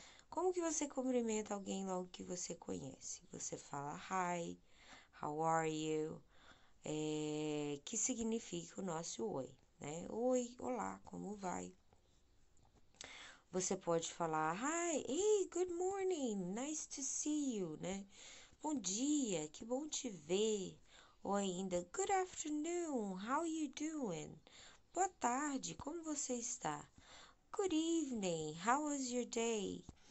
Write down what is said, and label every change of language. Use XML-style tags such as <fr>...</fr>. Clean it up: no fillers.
<pt>Como que você cumprimenta alguém logo que você conhece? Você fala</pt> <en>hi, how are you?</en> <pt>Que significa o nosso oi, né? Oi, olá, como vai? Você pode falar</pt> <en>hi, hey, good morning, nice to see you, né?</en> <pt>Bom dia, que bom te ver. Ou ainda,</pt> <en>good afternoon, how you doing?</en> <pt>Boa tarde, como você está?</pt> <en>Good evening, how was your day?</en>